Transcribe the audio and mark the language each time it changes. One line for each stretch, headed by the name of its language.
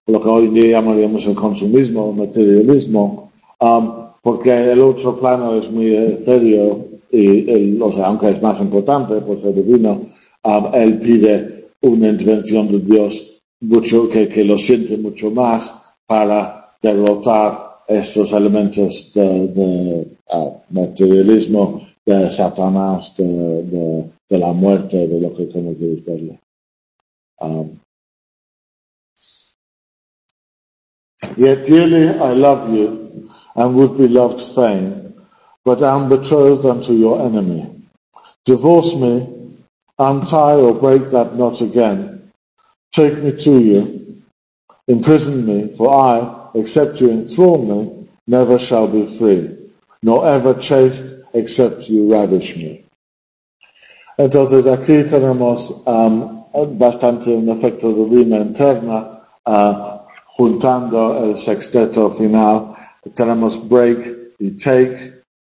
Spanish: lo que hoy día llamaríamos el consumismo, el materialismo, porque el otro plano es muy etéreo, y o sea, aunque es más importante por ser divino, él pide una intervención de Dios mucho, que lo siente mucho más para derrotar esos elementos de materialismo, de Satanás, de la muerte, de lo que conocemos verlo.
English: Yet dearly I love you and would be loved fain, but am betrothed unto your enemy. Divorce me, untie or break that knot again. Take me to you, imprison me, for I, except you enthrall me, never shall be free, nor ever chaste except you ravish me.
Spanish: Entonces aquí tenemos bastante un efecto de rima interna, juntando el sexteto final, tenemos break y take.